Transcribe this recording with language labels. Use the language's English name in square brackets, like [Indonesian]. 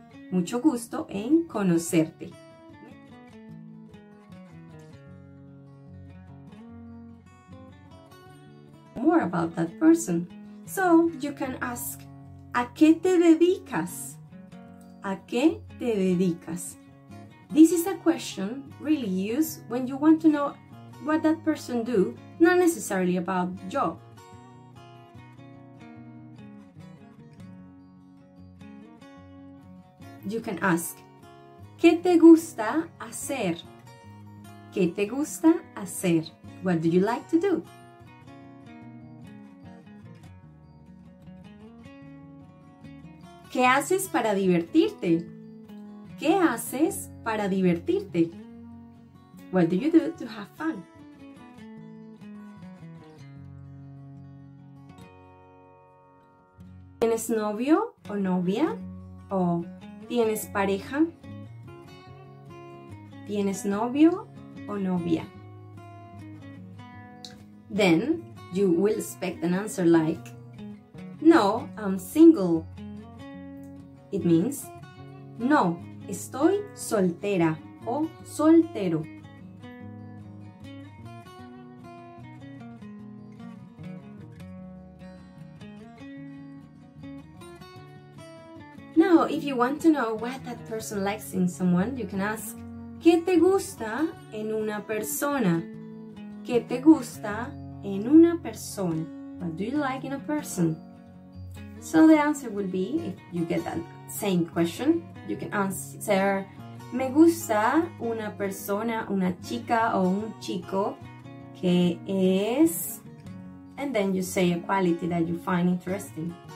[Spanish] Mucho gusto en conocerte. [English] More about that person. So, you can ask, [Spanish] ¿a qué te dedicas? ¿A qué te dedicas? [English] This is a question really used when you want to know what that person do, not necessarily about job. You can ask, [Spanish] ¿qué te gusta hacer? ¿Qué te gusta hacer? [English] What do you like to do? [Spanish] ¿Qué haces para divertirte? ¿Qué haces para divertirte? [English] What do you do to have fun? [Spanish] ¿Tienes novio o novia? ¿O tienes pareja? ¿Tienes novio o novia? [English] Then you will expect an answer like, no, I'm single. It means, [Spanish] no, estoy soltera o soltero. [English] Now, if you want to know what that person likes in someone, you can ask, [Spanish] ¿qué te gusta en una persona? ¿Qué te gusta en una persona? [English] What do you like in a person? So the answer will be, if you get that same question, you can answer, [Spanish] me gusta una persona, una chica o un chico que es, [English] and then you say a quality that you find interesting.